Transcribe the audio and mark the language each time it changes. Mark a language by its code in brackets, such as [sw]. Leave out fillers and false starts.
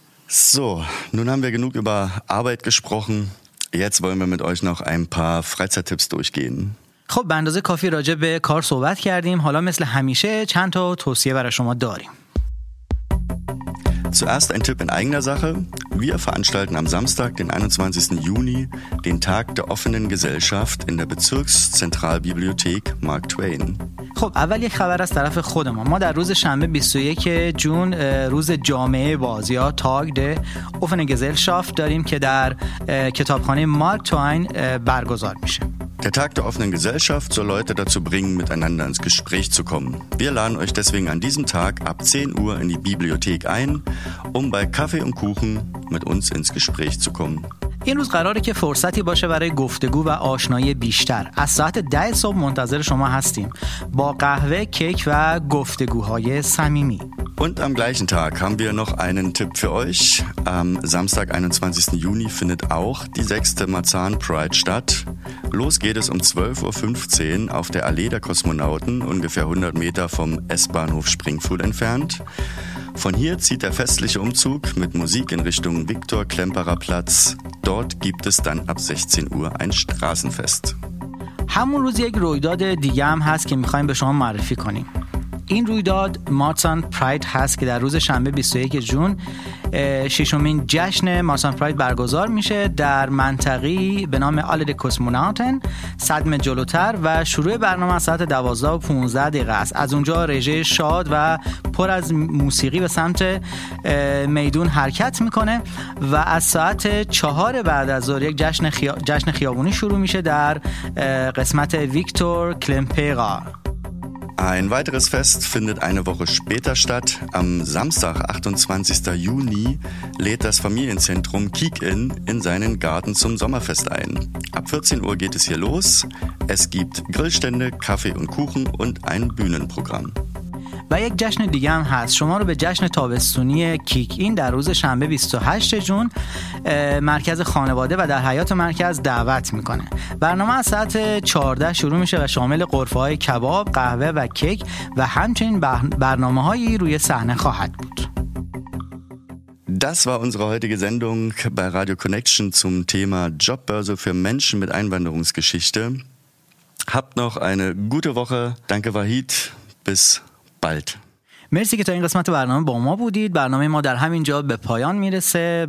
[de] So, nun haben wir genug über Arbeit gesprochen. Jetzt wollen wir mit euch noch ein paar Freizeittipps durchgehen. [fa] خب به اندازه کافی راجع به کار صحبت کردیم. حالا مثل همیشه چند تا توصیه برای شما داریم. [de] Zuerst ein Tipp in eigener Sache. Wir veranstalten am Samstag, den 21. Juni, den Tag der offenen Gesellschaft in der Bezirkszentralbibliothek Mark Twain. [fa] خب اول یک خبر از طرف خود ما. ما در روز شنبه 21 جون روز جامعه باز یا تاگ ده اوفن گزلشافت داریم که در کتابخانه مارک توین برگزار میشه. [de] Der Tag der offenen Gesellschaft soll Leute dazu bringen, miteinander ins Gespräch zu kommen. Wir laden euch deswegen an diesem Tag ab 10 Uhr in die Bibliothek ein, um bei Kaffee und Kuchen mit uns ins Gespräch zu kommen. [fa] این روز قراره که فرصتی باشه برای گفتگو و آشنایی بیشتر. از ساعت 10 صبح منتظر شما هستیم با قهوه، کیک و گفتگوهای صمیمی. [de] Und am gleichen Tag haben wir noch einen Tipp für euch. Am Samstag, 21. Juni, findet auch die 6. Marzahn Pride statt. Los geht es um 12.15 Uhr auf der Allee der Kosmonauten, ungefähr 100 Meter vom S-Bahnhof Springfield entfernt. Von hier zieht der festliche Umzug mit Musik in Richtung Viktor-Klemperer Platz. Dort gibt es dann ab 16 Uhr ein Straßenfest. [fa] همون روز یک رویداد دیگه هم هست که میخواییم به شما معرفی کنیم. این رویداد مارسان پراید هست که در روز شنبه 21 جون ششمین جشن مارسان پراید برگزار میشه در منطقی به نام آلد کوسموناتن صدم جلوتر و شروع برنامه از ساعت 12:15 دقیقه است. از اونجا رژه شاد و پر از موسیقی به سمت میدون حرکت میکنه و از ساعت 4 بعد از ظهر یک جشن خیابونی شروع میشه در قسمت ویکتور کلمپیرا. [de] Ein weiteres Fest findet eine Woche später statt. Am Samstag, 28. Juni, lädt das Familienzentrum Kiek-In in seinen Garten zum Sommerfest ein. Ab 14 Uhr geht es hier los. Es gibt Grillstände, Kaffee und Kuchen und ein Bühnenprogramm. [fa] و یک جشن دیگه هم هست. شما رو به جشن تابستونی کیک این در روز شنبه 28 جون مرکز خانواده و در حیات مرکز دعوت میکنه. برنامه از ساعت 14 شروع میشه و شامل غرفه های کباب، قهوه و کیک و همچنین برنامه هایی روی صحنه خواهد بود. [de] Das war unsere heutige Sendung bei Radio Connection zum Thema Jobbörse für Menschen mit Einwanderungsgeschichte. Habt noch eine gute Woche. Danke Wahid. Bis bald. [fa] مرسی که تا این قسمت برنامه با ما بودید. برنامه ما در همین جا به پایان میرسه.